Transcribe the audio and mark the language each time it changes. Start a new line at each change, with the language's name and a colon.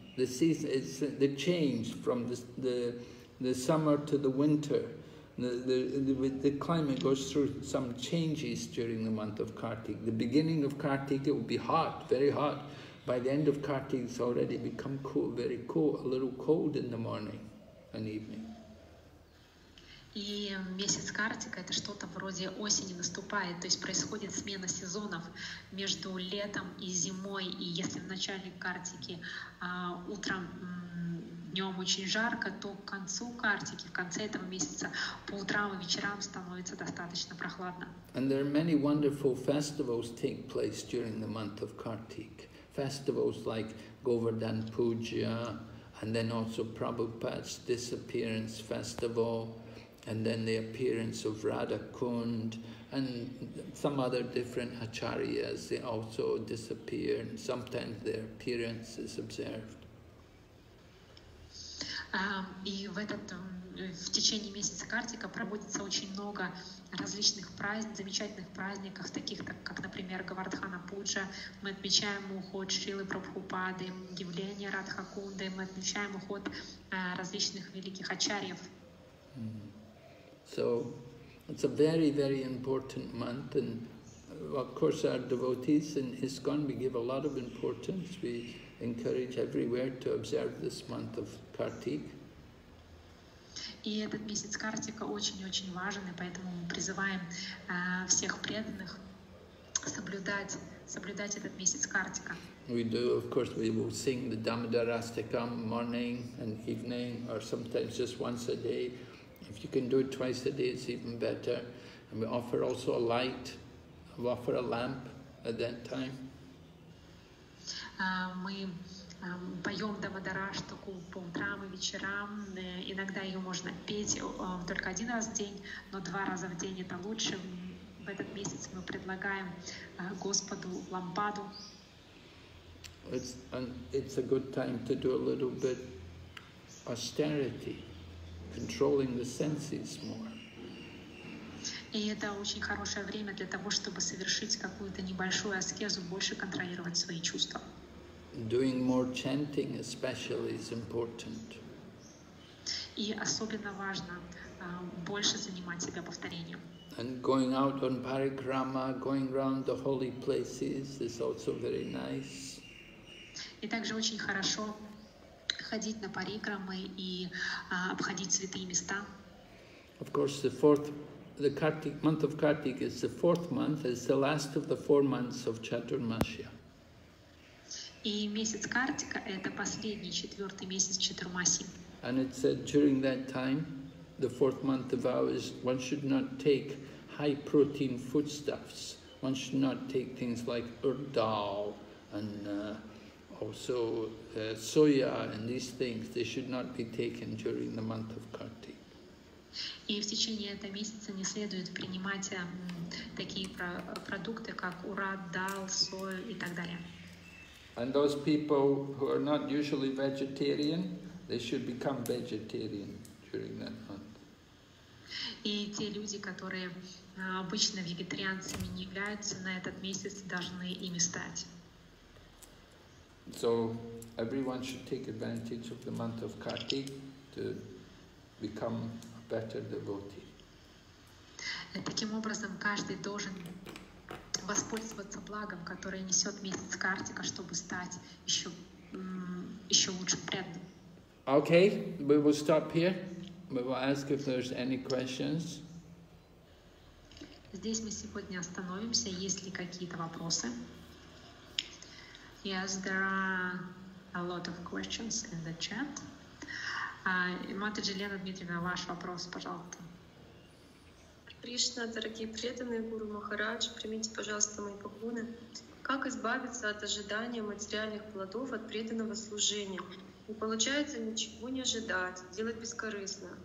English: The season is the change from the summer to the winter. The climate goes through some changes during the month of Kartik. The beginning of Kartik, it will be hot, very hot. By the end of Kartik, it's already become cool, very cool, a little cold in the morning and evening.
Russian: И месяц Картика – это что-то вроде осени наступает, то есть происходит смена сезонов между летом и зимой. И если в начале Картики утром, днем очень жарко, то к концу Картики, в конце этого месяца, по утрам и вечерам становится достаточно прохладно.
English: And there are many wonderful festivals take place during the month of Kartik. Festivals like Govardhan Puja, and then also Prabhupada's disappearance festival, and then the appearance of Radha Kund and some other different acharyas, they also disappear, and sometimes their appearance is observed.
Russian: И в этот в течение месяца Картика проводится очень много различных праздников, замечательных праздников, таких как, например, Говардхана Пуджа, мы отмечаем уход Шрилы Прабхупады, явление Радха Кунды, мы отмечаем уход различных великих ачарьев.
English: So it's a very, very important month, and of course our devotees in ISKCON, we give a lot of importance. We encourage everywhere to observe this month of Kartik.
Russian: И этот месяц Картика очень-очень важен, и поэтому мы призываем всех преданных соблюдать этот месяц Картика.
English: We do, of course, we will sing the Dhammadharastakam morning and evening, or sometimes just once a day. If you can do it twice a day, it's even better. And we offer also a light, we offer a lamp at that time.
Russian: Мы поем Дамадараштаку по утрам и вечерам. Иногда ее можно петь только один раз в день, но два раза в день это лучше. В этот месяц мы предлагаем Господу лампаду.
English: It's a good time to do a little bit austerity, controlling the senses more.
Russian: И это очень хорошее время для того, чтобы совершить какую-то небольшую аскезу, больше контролировать свои чувства.
English: Doing more chanting especially is important.
Russian: И особенно важно больше занимать себя повторением.
English: And going out on parikrama, going around the holy places is also very nice.
Russian: И также очень хорошо ходить на парикрамы и обходить святые места.
English: Of course, the Kartik, month of Kartik is the fourth month, it's the last of the four months of Chaturmasya.
Russian: И месяц Картика – это последний, четвертый месяц Чатурмаси.
English: And it said during that time, the fourth month of vow is, one should not take high protein foodstuffs. One should not take things like urdal and also soya and these things. They should not be taken during the month of Kartik.
Russian: И в течение этого месяца не следует принимать такие продукты, как урдал, сою и так далее.
English: And those people who are not usually vegetarian, they should become vegetarian during that month.
Russian: И те люди, которые обычно вегетарианцами не являются, на этот месяц должны ими стать.
English: So everyone should take advantage of the month of Kartik to become a better devotee.
Russian: Таким образом, каждый должен воспользоваться благом, которое несет месяц Картика, чтобы стать еще лучше преданным.
English: Okay, we will stop here. We will ask if there's any questions.
Russian: Здесь мы сегодня остановимся. Есть ли какие-то вопросы?
English: Yes, there are a lot of questions in the chat.
Russian: Матаджи Лена Дмитриевна, ваш вопрос, пожалуйста. Кришна, дорогие преданные Гуру Махарадж, примите, пожалуйста, мои поклоны. Как избавиться от ожидания материальных плодов от преданного служения? И получается ничего не ожидать, делать бескорыстно.